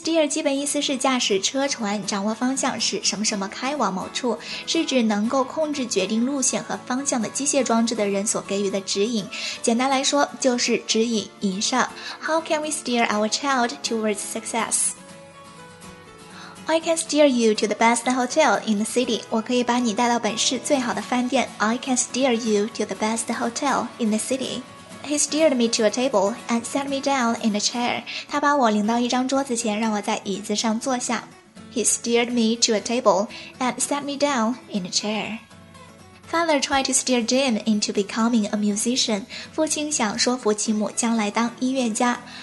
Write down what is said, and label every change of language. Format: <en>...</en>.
<zh>基本意思是驾驶车船，掌握方向，使什么什么开往某处，是指能够控制决定路线和方向的机械装置的人所给予的指引。简单来说，就是指引引上。</zh> <en>How can we steer our child towards success? I can steer you to the best hotel in the city.</en> <zh>我可以把你带到本市最好的饭店。</zh> <en>I can steer you to the best hotel in the city. He steered me to a table and sat me down in a chair.</en> <zh>他把我领到一张桌子前，让我在椅子上坐下。</zh> <en>He steered me to a table and sat me down in a chair. Father tried to steer Jim into becoming a musician.</en> <zh>父亲想说服其母将来当音乐家。</zh>